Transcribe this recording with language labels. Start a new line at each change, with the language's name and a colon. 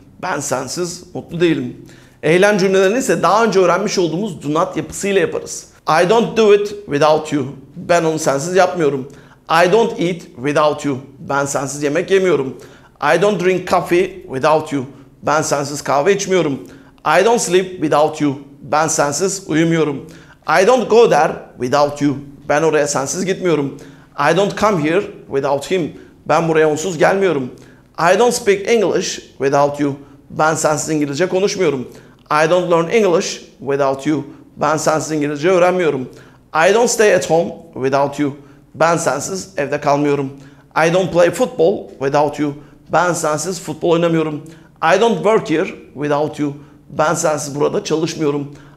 Turkish: Ben sensiz mutlu değilim. Eylem cümlelerini ise daha önce öğrenmiş olduğumuz do not yapısıyla yaparız.
English: I don't do it without you.
Turkish: Ben onu sensiz yapmıyorum.
English: I don't eat without you.
Turkish: Ben sensiz yemek yemiyorum.
English: I don't drink coffee without you.
Turkish: Ben sensiz kahve içmiyorum.
English: I don't sleep without you.
Turkish: Ben sensiz uyumuyorum.
English: I don't go there without you.
Turkish: Ben oraya sensiz gitmiyorum.
English: I don't come here without him.
Turkish: Ben buraya onsuz gelmiyorum.
English: I don't speak English without you.
Turkish: Ben sensiz İngilizce konuşmuyorum.
English: I don't learn English without you.
Turkish: Ben sensiz İngilizce öğrenmiyorum.
English: I don't stay at home without you.
Turkish: Ben sensiz evde kalmıyorum.
English: I don't play football without you.
Turkish: Ben sensiz futbol oynamıyorum.
English: I don't work here without you.
Turkish: Ben sensiz burada çalışmıyorum.